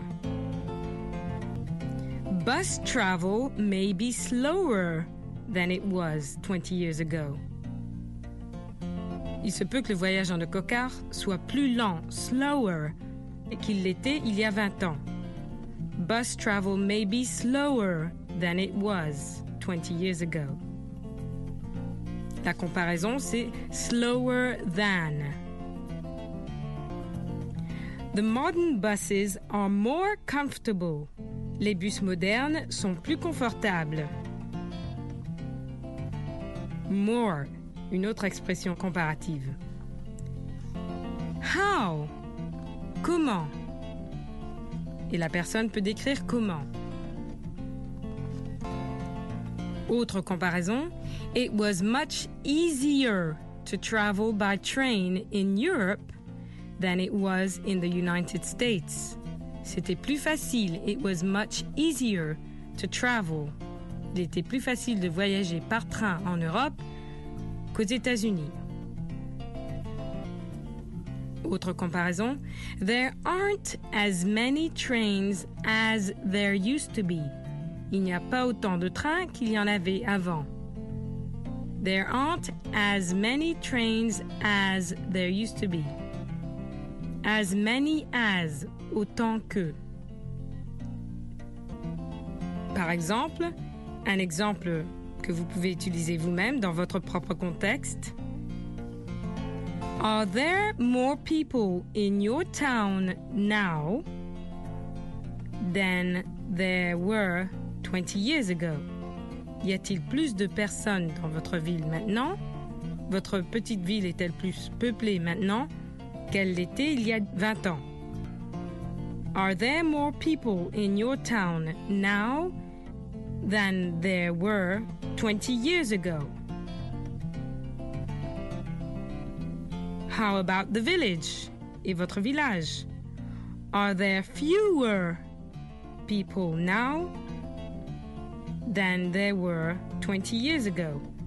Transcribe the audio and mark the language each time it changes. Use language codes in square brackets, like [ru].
[en] « Bus travel may be slower than it was 20 years ago ». [fr] Il se peut que le voyage en le cocard soit plus lent, « slower », qu'il l'était il y a 20 ans. [en] Bus travel may be slower than it was 20 years ago. [fr] La comparaison, c'est [en] slower than. The modern buses are more comfortable. [fr] Les bus modernes sont plus confortables. More, une autre expression comparative. [en] How? [fr] Comment? Et la personne peut décrire comment. Autre comparaison, [en] It was much easier to travel by train in Europe than it was in the United States. [fr] C'était plus facile. [en] It was much easier to travel. [fr] Il était plus facile de voyager par train en Europe qu'aux États-Unis. Autre comparaison, [en] there aren't as many trains as there used to be. [fr] Il n'y a pas autant de trains qu'il y en avait avant. [en] There aren't as many trains as there used to be. As many as, [fr] autant que. Par exemple, un exemple que vous pouvez utiliser vous-même dans votre propre contexte. [en] Are there more people in your town now than there were 20 years ago? [fr] Y a-t-il plus de personnes dans votre ville maintenant? Votre petite ville est-elle plus peuplée maintenant qu'elle l'était il y a 20 ans? [en] Are there more people in your town now than there were 20 years ago? How about the village? [fr] Et votre village? [en] Are there fewer people now than there were 20 years ago?